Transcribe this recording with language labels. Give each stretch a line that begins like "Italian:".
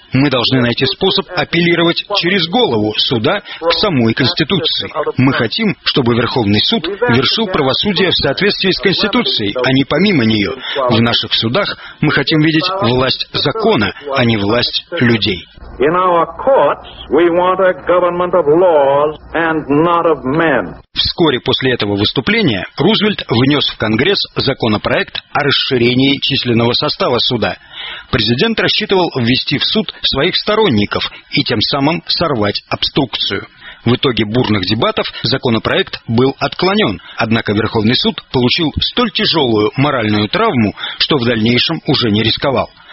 Russian: Мы должны найти способ апеллировать через голову суда к самой Конституции. Мы хотим, чтобы Верховный суд вершил правосудие в соответствии с Конституцией, а не помимо нее. В наших судах мы хотим видеть власть закона, а не власть людей.
English: In our courts we want a government of laws and not of men.
Russian: Вскоре после этого выступления Рузвельт внес в Конгресс законопроект о расширении численного состава суда. Президент рассчитывал ввести в суд своих сторонников и тем самым сорвать обструкцию. В итоге бурных дебатов законопроект был отклонен, однако Верховный суд получил столь тяжелую моральную травму, что в дальнейшем уже не рисковал.